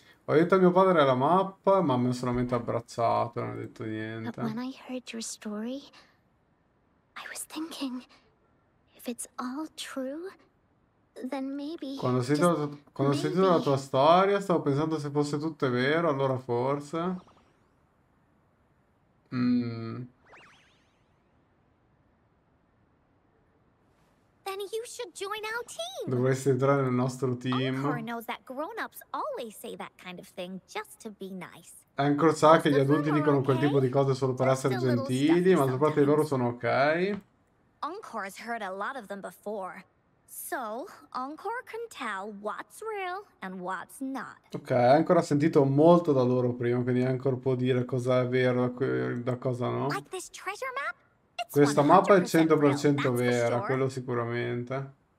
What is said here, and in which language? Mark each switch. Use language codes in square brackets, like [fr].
[it] Ho detto a mio padre la mappa, ma mi ha solamente abbracciato, non ha detto niente. [en] But when I heard your story, I was thinking, if it's all true, then maybe... [it] Quando ho sentito la tua storia, stavo pensando se fosse tutto vero, allora forse... [en] Then you should join our team. [it] Dovresti entrare nel nostro team. [en] Anchor knows that grown-ups always say that kind of thing just to be nice. [it] Anchor sa che gli adulti dicono quel tipo di cose solo per essere gentili, ma soprattutto loro sono ok. [en] Anchor has heard a lot of them before, so Anchor can tell what's real and what's not. [it] Ok, Anchor ha sentito molto da loro prima, quindi Anchor può dire cosa è vero da cosa no. [en] Like this treasure map? [it] Questa mappa è 100% vera, quello sicuramente.